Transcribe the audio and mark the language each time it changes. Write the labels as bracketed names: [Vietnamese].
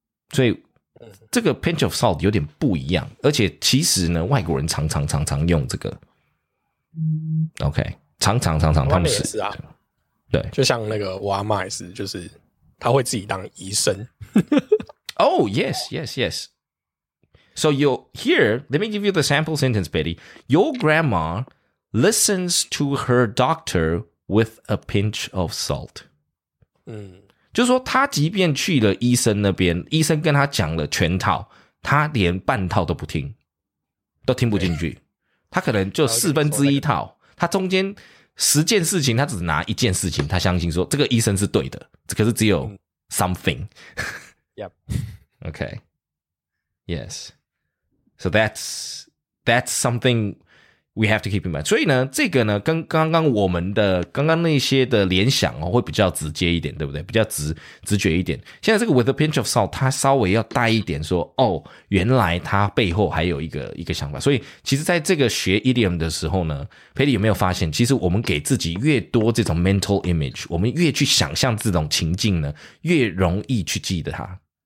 [Chinese] 所以这个 [English] pinch of salt [Chinese] 有点不一样，而且其实呢，外国人常常用这个。 OK， 常常他们也是啊，对，就像那个我阿嬷也是，就是他会自己当医生。 [English] Oh yes. So you here, let me give you the sample sentence, Betty. Your grandma listens to her doctor with a pinch of salt. [Chinese] 嗯，就是说她即便去了医生那边，医生跟她讲了全套，她连半套都不听，都听不进去。她可能就四分之一套，她中间十件事情，她只拿一件事情，她相信说这个医生是对的，可是只有 something. [English] Yep. Okay. Yes. So that's something we have to keep in mind. [Chinese] 所以呢，这个呢，跟刚刚我们的刚刚那些的联想哦，会比较直接一点，对不对？比较直觉一点。现在这个 [English] with a pinch of salt， [Chinese] 它稍微要带一点说，哦，原来它背后还有一个想法。所以其实在这个学 idiom 的时候呢，佩蒂有没有发现，其实我们给自己越多这种 [English] mental image， [Chinese] 我们越去想象这种情境呢，越容易去记得它。